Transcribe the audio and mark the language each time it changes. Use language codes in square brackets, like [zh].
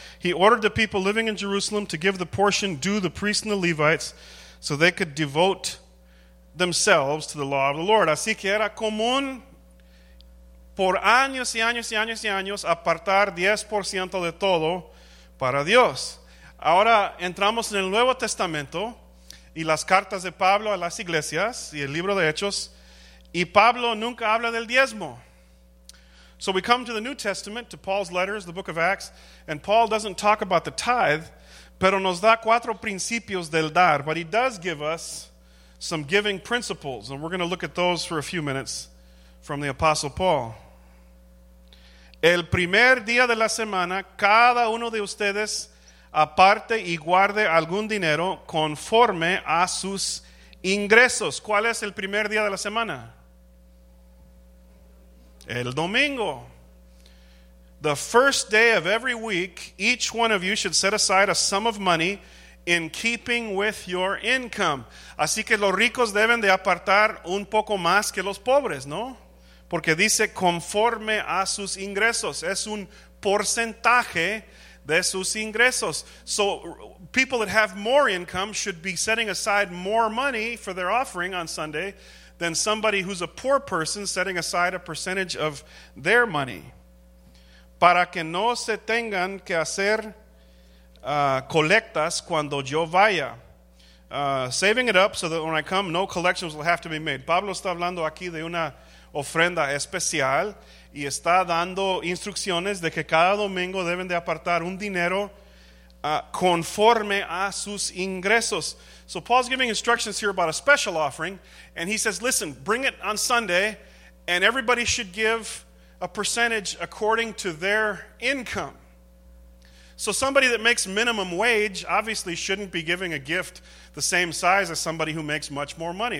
[en] He ordered the people living in Jerusalem to give the portion due the priests and the Levites so they could devote themselves to the law of the Lord. [es] Así que era común por años y años y años y años apartar 10% de todo para Dios. Ahora entramos en el Nuevo Testamento y las cartas de Pablo a las iglesias y el libro de Hechos, y Pablo nunca habla del diezmo. [en] So we come to the New Testament, to Paul's letters, the book of Acts, and Paul doesn't talk about the tithe, [es] pero nos da cuatro principios del dar, [en] but he does give us some giving principles, and we're going to look at those for a few minutes from the Apostle Paul. [es] El primer día de la semana, cada uno de ustedes aparte y guarde algún dinero conforme a sus ingresos. ¿Cuál es el primer día de la semana? El domingo. [en] The first day of every week, each one of you should set aside a sum of money in keeping with your income. [es] Así que los ricos deben de apartar un poco más que los pobres, ¿no? Porque dice conforme a sus ingresos. Es un porcentaje de sus ingresos. [en] So people that have more income should be setting aside more money for their offering on Sunday than somebody who's a poor person setting aside a percentage of their money. [es] Para que no se tengan que hacer colectas cuando yo vaya. [en] Saving it up so that when I come, no collections will have to be made. [es] Pablo está hablando aquí de una ofrenda especial y está dando instrucciones de que cada domingo deben de apartar un dinero conforme a sus ingresos. [en] So Paul's giving instructions here about a special offering, and he says, listen, bring it on Sunday, and everybody should give a percentage according to their income. So somebody that makes minimum wage obviously shouldn't be giving a gift the same size as somebody who makes much more money.